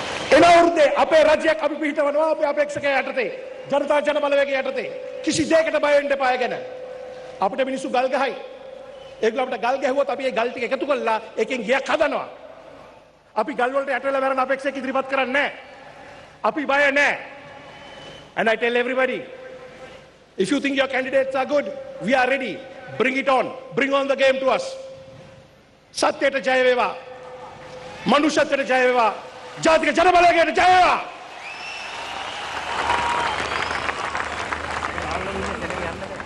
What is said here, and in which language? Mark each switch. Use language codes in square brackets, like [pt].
[si] එන වෘදේ අපේ රජයක් අපි පිහිටවනවා අපේ අපේක්ෂකයන් යටතේ ජනතා ජන බලවේගය යටතේ කිසි දෙයකට බය වෙන්න එපා යගෙන. අපිට මිනිස්සු ගල් ගහයි. ඒගොල්ල අපිට ගල් ගැහුවොත් අපි ඒ ගල් ටික එකතු කරලා ඒකෙන් ගියක් හදනවා. අපි ගල් වලට යට වෙලා මරන අපේක්ෂක ඉදිරිපත් කරන්නේ නැහැ. අපි බය නැහැ. [en] And I tell everybody if you think your candidates are good, we are ready. Bring it on. Bring on the game to us. [si] සත්‍යයට ජය වේවා මනුෂ්‍යත්වයට ජය වේවා ජාතික ජන බලයට ජය වේවා